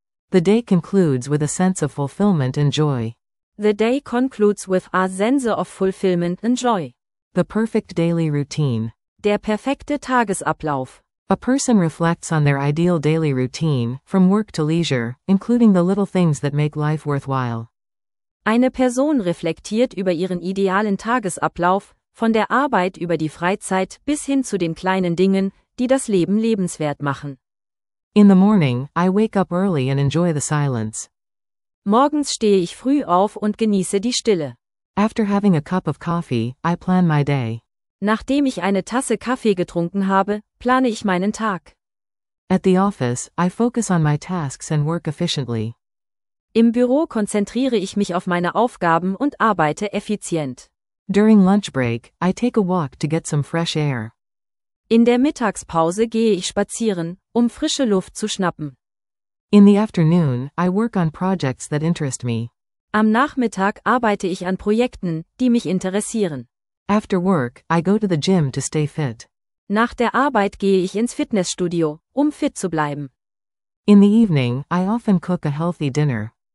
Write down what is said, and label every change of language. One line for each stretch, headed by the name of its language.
English: The day concludes with a sense of fulfillment and joy. The day concludes with a sense of fulfillment and joy. The perfect daily routine.
German: Der perfekte Tagesablauf.
English: A person reflects on their ideal daily routine, from work to leisure, including the little things that make life worthwhile.
German: Eine Person reflektiert über ihren idealen Tagesablauf, von der Arbeit über die Freizeit bis hin zu den kleinen Dingen, die das Leben lebenswert machen.
English: In the morning, I wake up early and enjoy the silence.
German: Morgens stehe ich früh auf und genieße die Stille.
English: After having a cup of coffee, I plan my day.
German: Nachdem ich eine Tasse Kaffee getrunken habe, plane ich meinen Tag.
English: At the office, I focus on my tasks and work efficiently.
German: Im Büro konzentriere ich mich auf meine Aufgaben und arbeite effizient.
English: During lunch break, I take a walk to get some fresh air.
German: In der Mittagspause gehe ich spazieren, um frische Luft zu schnappen.
English: In the afternoon, I work on projects that interest me.
German: Am Nachmittag arbeite ich an Projekten, die mich interessieren.
English: After work, I go to the gym to stay fit.
German: Nach der Arbeit gehe ich ins Fitnessstudio, um fit zu bleiben.
English: In the evening, I often cook a healthy dinner.